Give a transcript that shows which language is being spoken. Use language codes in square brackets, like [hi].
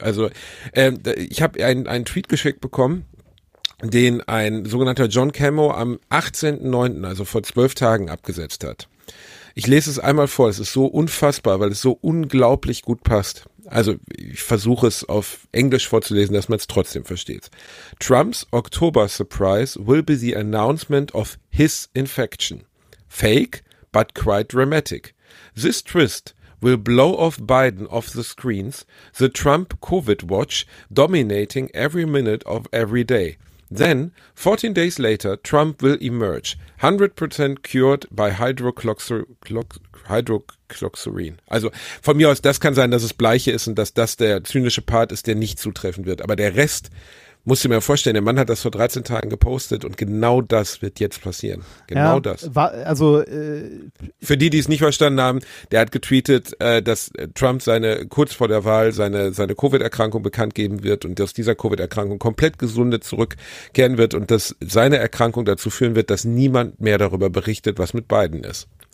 [de] Also ich habe einen Tweet geschickt bekommen, den ein sogenannter John Camo am 18.09., also vor 12 Tagen, abgesetzt hat. Ich lese es einmal vor, es ist so unfassbar, weil es so unglaublich gut passt. Also ich versuche es auf Englisch vorzulesen, dass man es trotzdem versteht. [en] Trump's October surprise will be the announcement of his infection. Fake, but quite dramatic. This twist will blow off Biden off the screens, the Trump COVID watch dominating every minute of every day. Then, 14 days later, Trump will emerge, 100% cured by hydrochloroxyrin. [de] Also von mir aus, das kann sein, dass es Bleiche ist und dass das der zynische Part ist, der nicht zutreffen wird. Aber der Rest, musst du mir vorstellen, der Mann hat das vor 13 Tagen gepostet und genau das wird jetzt passieren. Genau ja, das. Für die, die es nicht verstanden haben, der hat getweetet, dass Trump seine kurz vor der Wahl seine Covid-Erkrankung bekannt geben wird und aus dieser Covid-Erkrankung komplett gesunde zurückkehren wird und dass seine Erkrankung dazu führen wird, dass niemand mehr darüber berichtet, was mit Biden ist.